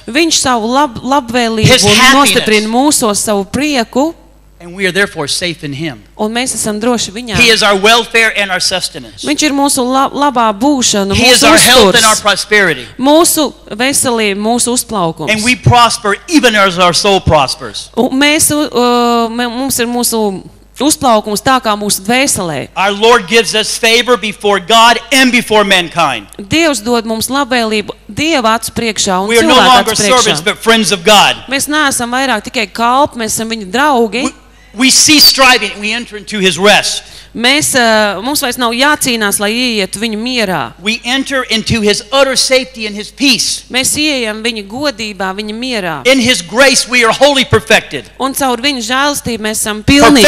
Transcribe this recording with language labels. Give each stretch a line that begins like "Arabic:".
Latvian: Viņš savu labvēlību
English: his happiness.
Latvian: Nostiprina mūsos savu prieku.
English: And we are therefore safe in him.
Latvian: Un mēs esam droši viņā.
English: He is our welfare and our sustenance.
Latvian: Viņš ir mūsu labā būšana,
English: He is our health and our prosperity.
Latvian: Mūsu veselība, mūsu uzplaukums.
English: And we prosper even as our soul prospers.
Latvian: Mums ir mūsu uzplaukums tā kā mūsu dvēselē.
English: Our Lord gives us favor before God and before mankind.
Latvian: Dievs dod mums labvēlību Dieva acu priekšā un cilvēku priekšā.
English: We are no longer servants but friends of God.
Latvian: Mēs neesam vairāk tikai kalpi, mēs esam viņa draugi.
English: We cease striving, we enter into his rest.
Latvian: Mums vairs nav jācīnās, lai ieietu viņu mierā.
English: We enter into his utter safety and his peace.
Latvian: Mēs ieejam viņa godībā, viņa mierā.
English: In his grace we are wholly perfected.
Latvian: Un caur viņa žēlstību mēs esam pilnīgi.